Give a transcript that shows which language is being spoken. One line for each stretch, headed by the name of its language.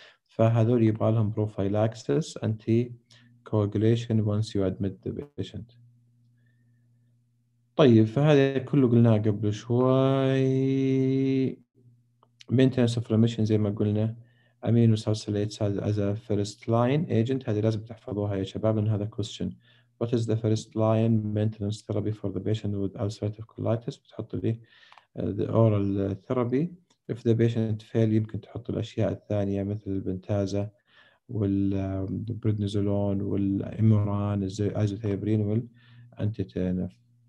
Arabic: فهذول يبقى لهم
English: prophylaxis anti coagulation once you admit the patient.
Arabic: طيب فهذا كله قلناه قبل شوي.
English: Maintenance of remission
Arabic: زي ما قلنا
English: amino salicylates as a first line agent.
Arabic: هذه لازم تحفظوها يا شباب لأن هذا question.
English: What is the first line maintenance therapy for the patient with ulcerative colitis؟
Arabic: بتحط لي
English: the oral therapy. If the patient fail
Arabic: يمكن تحط الأشياء الثانية مثل البنتازة والبريدنيزولون والإيموران الأزوثيبرين والأنتيتينف.